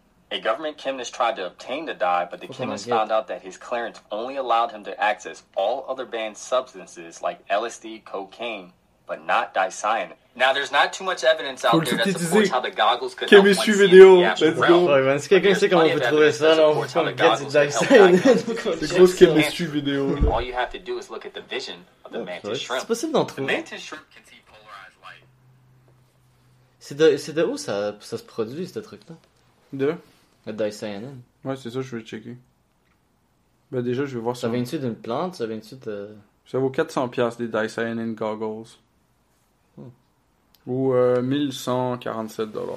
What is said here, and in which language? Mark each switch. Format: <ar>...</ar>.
<en>A government chemist tried to obtain the dye, but the chemist found out that his clearance only allowed him to access all other banned substances like LSD, cocaine, but not dicyanin. Now, there's not too much evidence out there that supports how the goggles could help one see into the astral realm.</en> <fr>Ouais, man, si quelqu'un sait comment vous trouvez ça, là, on vous trouve le gars du dicyanin. C'est grosse chemistry vidéo.</fr> <en>All you have to do is look at the vision of the mantis shrimp.</en> <fr>C'est possible d'en trouver.</fr> <en>The mantis shrimp can see polarized light.</en> <fr>C'est de où ça se produit, ce truc-là? De? Le dicyanin. Ouais, c'est ça, je vais checker. Ben déjà, je vais voir ça. Ça vient-tu d'une plante? Ça vient-tu de... Ça vaut 400$, des dicyanin goggles. Ou 1147$.</fr>